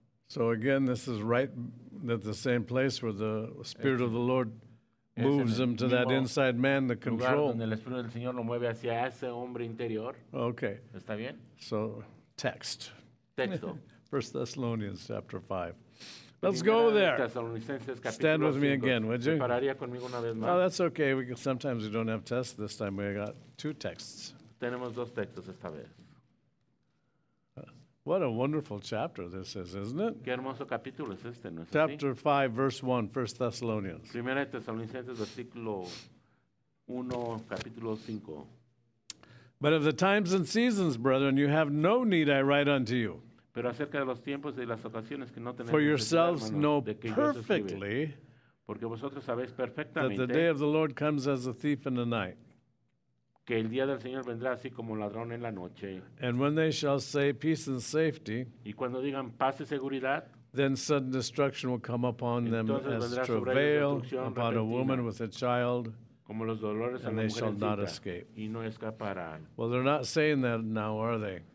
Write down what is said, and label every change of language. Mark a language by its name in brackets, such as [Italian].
[English] So again, this is right at the same place where the Spirit of the Lord moves him to that inside man, the control. [Spanish] En el espíritu del Señor lo mueve hacia ese hombre interior. [English] Okay. [Spanish] ¿Está bien? [English] So, text. [Spanish] Texto. [English] 1 Thessalonians chapter 5. Let's go there. Stand with me again, would you? Oh, that's okay. We can, sometimes we don't have tests this time. We got two texts. [Spanish] Tenemos dos textos esta vez. [English] What a wonderful chapter this is, isn't it? [Spanish] Qué hermoso capítulo es este, ¿no es así? [English] Chapter 5, verse 1, 1 Thessalonians. [Spanish] Primera de Tesalonicenses, versículo 1, capítulo 5. [English] But of the times and seasons, brethren, you have no need I write unto you. [Spanish] Pero acerca de los tiempos y las ocasiones que no tenemos. [English] For yourselves know perfectly, [Spanish] porque vosotros sabéis perfectamente, [English] that the day of the Lord comes as a thief in the night. [Spanish] Que el día del Señor vendrá así como ladrón en la noche. [English] And when they shall say peace and safety, [Spanish] y cuando digan paz y seguridad, [English] then sudden destruction will come upon them as travail upon a woman with a child. [Spanish] Como los dolores [English] and they shall not escape. [Spanish] Y no escaparán. [English] Well, they're not saying that now, are they?